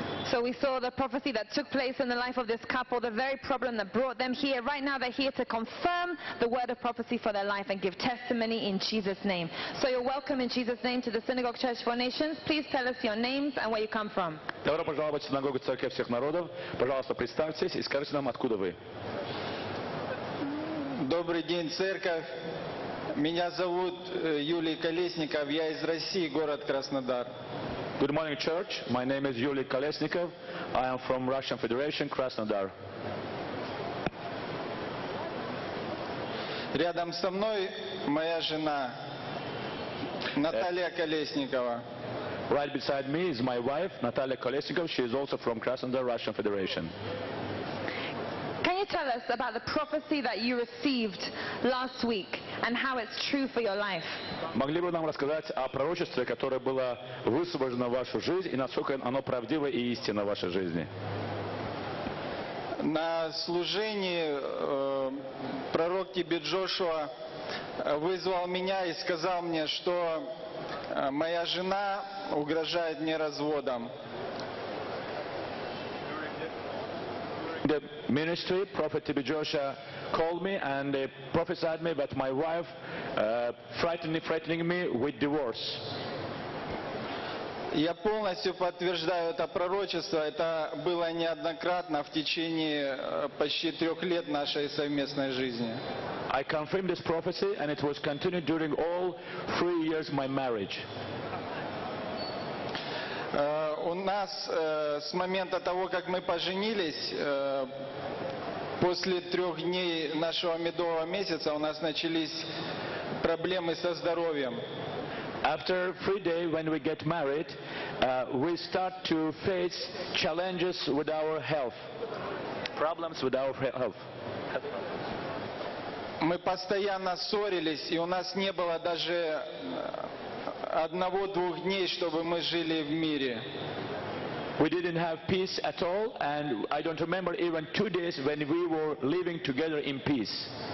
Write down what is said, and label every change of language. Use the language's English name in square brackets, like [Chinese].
[English] So we saw the prophecy that took place in the life of this couple, the very problem that brought them here. Right now they're here to confirm the word of prophecy for their life and give testimony in Jesus' name. So you're welcome in Jesus' name to the Synagogue Church for Nations. Please tell us your names and where you come from. [Russian] Добро пожаловать в Синагогу Церкви всех народов. Пожалуйста, представьтесь и скажите нам, откуда вы. Добрый день, Церковь. Меня зовут Юлий Колесников. Я из России, город Краснодар. [English] Good morning, Church. My name is Lulii Kolesnikov. I am from Russian Federation, Krasnodar. [Russian] Рядом со мной моя жена Наталья Колесникова. [English] Right beside me is my wife Наталья Колесникова. She is also from Krasnodar, Russian Federation. Can you tell us about the prophecy that you received last week and how it's true for your life? [Russian] Могли бы нам рассказать о пророчестве, которое было высвобождено в вашу жизнь, и насколько оно правдиво и истинно в вашей жизни? На служении пророк тебе Джошуа вызвал меня и сказал мне, что моя жена угрожает мне разводом. [English] The ministry, Prophet Tibi Joshua, called me and prophesied me that my wife frightening me with divorce. [Russian] Я полностью подтверждаю это пророчество. Это было неоднократно в течение почти трех лет нашей совместной жизни. [English] I confirm this prophecy and it was continued during all 3 years of my marriage. [Russian] У нас с момента того, как мы поженились, после трех дней нашего медового месяца у нас начались проблемы со здоровьем. [English] After 3 days when we get married, we start to face challenges with our health. Problems with our health. [Russian] Мы постоянно ссорились, и у нас не было даже одного-двух дней, чтобы мы жили в мире. [English] We didn't have peace at all, and I don't remember even 2 days when we were living together in peace.